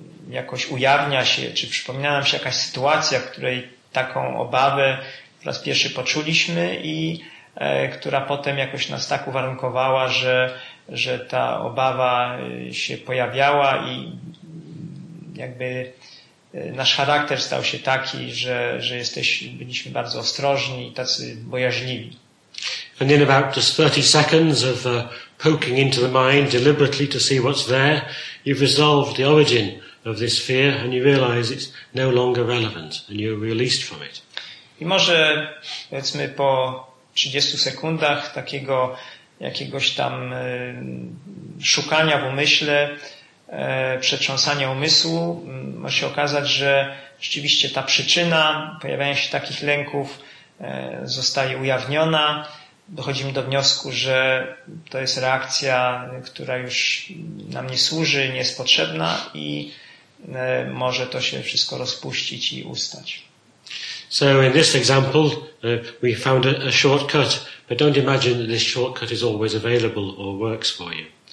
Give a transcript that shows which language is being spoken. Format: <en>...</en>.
<pl>jakoś ujawnia się, czy przypomina nam się jakaś sytuacja, w której taką obawę po raz pierwszy poczuliśmy i która potem jakoś nas tak uwarunkowała, że ta obawa się pojawiała i jakby nasz charakter stał się taki, że byliśmy bardzo ostrożni i tacy bojaźliwi.</pl> <en>And in about just 30 seconds of poking into the mind deliberately to see what's there, you've resolved the origin of this fear and you realize it's no longer relevant and you're released from it.</en> <pl>I może, powiedzmy, po 30 sekundach takiego jakiegoś tam szukania w umyśle, przetrząsania umysłu, może się okazać, że rzeczywiście ta przyczyna pojawiania się takich lęków zostaje ujawniona. Dochodzimy do wniosku, że to jest reakcja, która już nam nie służy, nie jest potrzebna i może to się wszystko rozpuścić i ustać.</pl> <en>So in this example, we found a shortcut, but don't imagine that this shortcut is always available or works for you.</en>